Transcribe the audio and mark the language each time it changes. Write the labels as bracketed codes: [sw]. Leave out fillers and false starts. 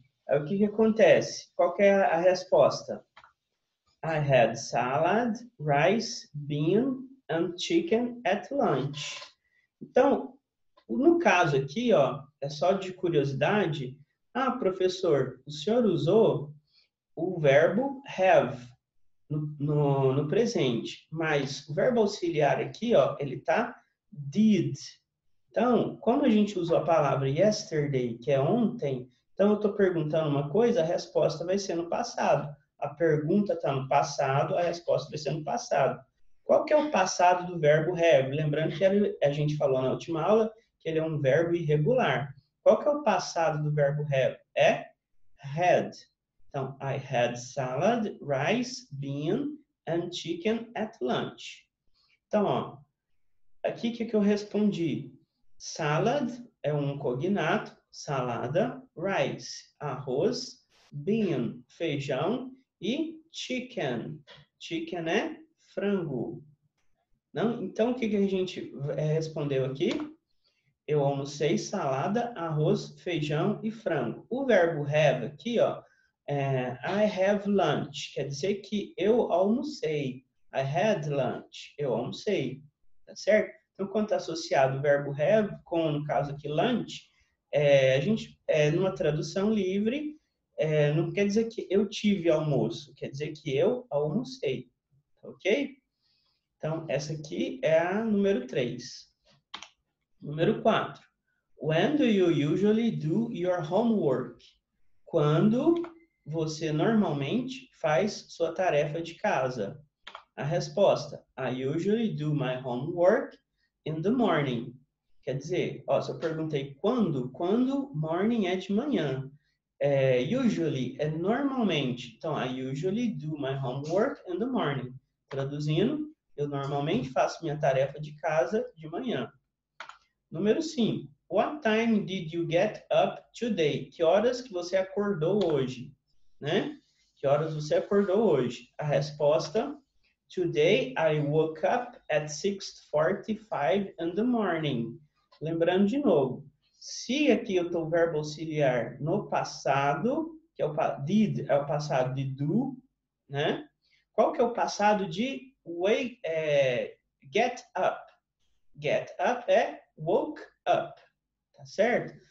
[pt] O que que acontece? Qual que é a resposta? [en] I had salad, rice, bean and chicken at lunch. [pt] Então, no caso aqui, ó, é só de curiosidade. Ah, professor, o senhor usou o verbo have no presente, mas o verbo auxiliar aqui, ó, ele tá did. Então, como a gente usou a palavra yesterday, que é ontem, então eu estou perguntando uma coisa, a resposta vai ser no passado. A pergunta está no passado, a resposta vai ser no passado. Qual que é o passado do verbo have? Lembrando que a gente falou na última aula que ele é um verbo irregular. Qual que é o passado do verbo have? É had. [en] Então, I had salad, rice, bean and chicken at lunch. [pt] Então, ó, aqui que eu respondi? Salad é um cognato, salada, rice, arroz, bean, feijão e chicken. Chicken é frango. Não? Então, o que que a gente respondeu aqui? Eu almocei salada, arroz, feijão e frango. O verbo have aqui, ó, é [en] I have lunch. [pt] Quer dizer que eu almocei. [en] I had lunch. [pt] Eu almocei. Tá certo? Então, quando está associado o verbo have com, no caso aqui, lunch, a gente, numa tradução livre, não quer dizer que eu tive almoço, quer dizer que eu almocei, ok? Então, essa aqui é a número 3. Número 4. [en] When do you usually do your homework? [pt] Quando você normalmente faz sua tarefa de casa? [en] A resposta, I usually do my homework in the morning. [pt] Quer dizer, ó, se eu perguntei quando, quando morning é de manhã. É, usually é normalmente. Então, I usually do my homework in the morning. Traduzindo, eu normalmente faço minha tarefa de casa de manhã. [en] Número 5. What time did you get up today? [pt] Que horas que você acordou hoje? Né? Que horas você acordou hoje? A resposta. [en] Today I woke up at 6:45 in the morning. [pt] Lembrando de novo, se aqui eu estou o verbo auxiliar no passado, que é o did, é o passado de do, né? Qual que é o passado de wake, get up? Get up é woke up, tá certo?